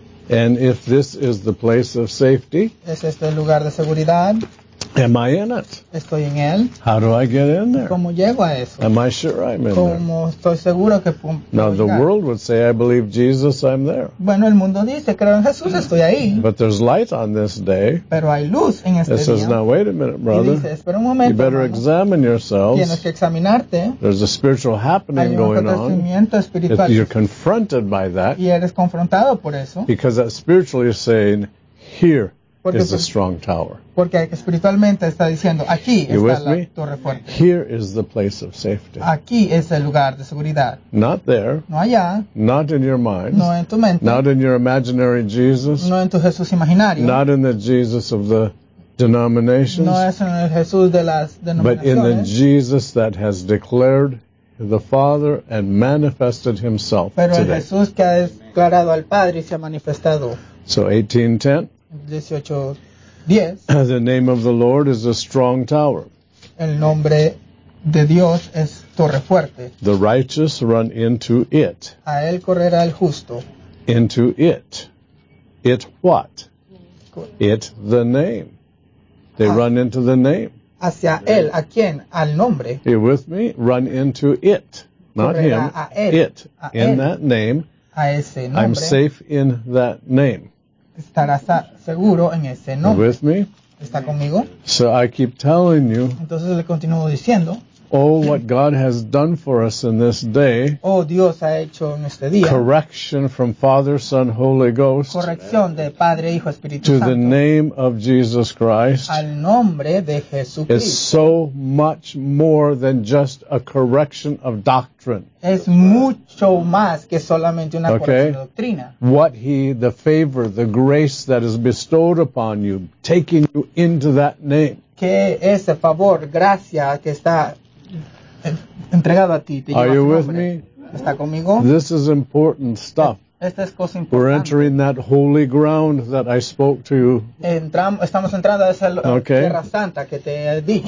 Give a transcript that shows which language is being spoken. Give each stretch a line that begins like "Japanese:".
English: And if this is the place of safety,
Spanish: ¿es este el lugar de seguridad?
English: Am I in it?
Spanish: ¿Estoy en él?
English: How do I get in there?
Spanish: ¿Cómo llego a eso?
English: Am I sure I'm in
Spanish: ¿cómo
English: there?
Spanish: ¿Cómo estoy seguro que puedo llegar?
English: Now the world would say, I believe Jesus, I'm there.
Spanish: Bueno, el mundo dice, creo en Jesús, estoy ahí.
English: But there's light on this day.
Spanish: Pero hay luz en este
English: it
Spanish: día.
English: It says, now wait a minute, brother.
Spanish: Y dice, espera un momento,
English: you better
Spanish: hermano.
English: Examine yourselves.
Spanish: Tienes que examinarte.
English: There's a spiritual happening going on.
Spanish: Hay un acontecimiento espiritual.
English: You're confronted by that.
Spanish: Y eres confrontado por eso.
English: Because that spiritual is saying, here. Is a strong tower.
Spanish: Porque espiritualmente está diciendo, aquí está la torre fuerte.
English: Here is the place of safety.
Spanish: Aquí es el lugar de seguridad.
English: Not there.
Spanish: No allá.
English: Not in your mind.
Spanish: No en tu mente.
English: Not in your imaginary Jesus.
Spanish: No en tu Jesús imaginario.
English: Not in the Jesus of the denominations.
Spanish: No es en el Jesús de las denominaciones.
English: But in the Jesus that has declared the Father and manifested himself
Spanish: pero
English: today.
Spanish: Pero el Jesús que ha declarado al Padre y se ha manifestado.
English: So 18:10. 18:10. The name of the Lord is a strong tower.
Spanish: El nombre de Dios es torre fuerte.
English: The righteous run into it.
Spanish: A él correrá el justo.
English: Into it. It what? It the name. They run into the name.
Spanish: Hacia él, ¿a quién? Al nombre.
English: Are you with me? Run into it. Not him.
Spanish: A él.
English: It. In that name.
Spanish: A ese nombre.
English: I'm safe in that name.
Spanish: Estarás seguro en ese nombre.
English: With me?
Spanish: ¿Está conmigo?
English: So I keep telling you.
Spanish: Entonces le continúo diciendo.
English: Oh, what God has done for us in this day.
Spanish: Oh, Dios ha hecho en este día.
English: Correction from Father, Son, Holy Ghost.
Spanish: Corrección de Padre, Hijo, Espíritu
English: to
Spanish: Santo.
English: To the name of Jesus Christ.
Spanish: Al nombre de Jesucristo.
English: Is so much more than just a correction of doctrine.
Spanish: Es mucho más que solamente una corrección de doctrina.
English: What he, the favor, the grace that is bestowed upon you, taking you into that name.
Spanish: Que ese favor, gracia, que está entregado a ti.
English: Are you with me?
Spanish: ¿Está conmigo?
English: This is important stuff.
Spanish: Esta es cosa importante.
English: We're entering that holy ground that I spoke to you.
Spanish: Estamos entrando a esa tierra santa que te he dicho.